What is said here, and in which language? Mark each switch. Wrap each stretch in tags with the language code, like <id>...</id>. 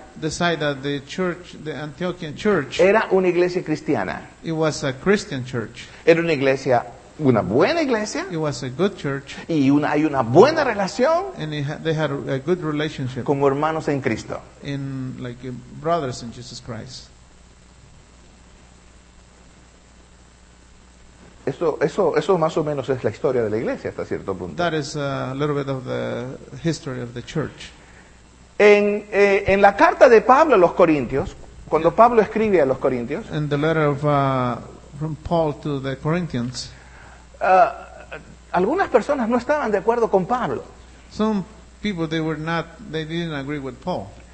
<en>decided that the church, the Antiochian church,</en> <es>era una iglesia cristiana.</es> <en>It was a Christian church.</en> <es>Era una iglesia, una buena iglesia.</es> <en>It was a good church.</en> <es>Y hay una buena relación.</es> <en>And they had a good relationship.</en> <es>Como hermanos en Cristo.</es> <en>In like brothers in Jesus Christ.</en> <es>Eso más o menos es la historia de la iglesia hasta cierto punto.</es> <en>That is a little bit of the history of the church.</en> <es>En la carta de Pablo a los Corintios, cuando Pablo escribe a los Corintios,</es> <en>in the letter of from Paul to the Corinthians,</en> <es>algunas personas no estaban de acuerdo con Pablo.</es> <en>Some people they didn't agree with Paul.</en>